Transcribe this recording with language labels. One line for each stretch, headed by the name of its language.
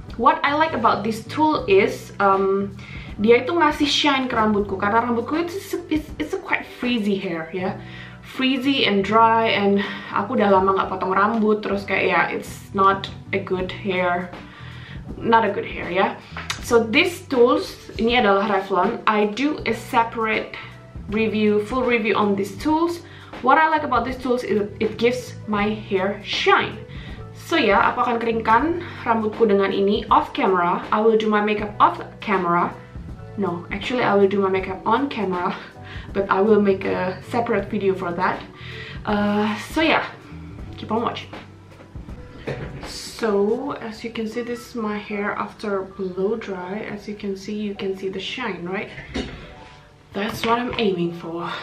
English: What I like about this tool is
Indonesian: dia itu ngasih shine ke rambutku, karena rambutku
English: it's a quite frizzy hair, ya. Yeah? Frizzy and dry, and
Indonesian: aku udah lama nggak potong rambut, terus kayak
English: ya, yeah, it's not a good hair, ya. Yeah? So this tools,
Indonesian: ini adalah
English: Revlon. I do a separate review, full review on these tools. What I like about these tools is it gives my hair shine.
Indonesian: So ya, aku akan keringkan rambutku dengan ini
English: off camera. I will do my makeup off camera. No, actually I will do my makeup on camera, but I will make a separate video for that. So ya, keep on watching. So as you can see, this is my hair after blow dry. As you can see the shine, right? That's what I'm aiming for.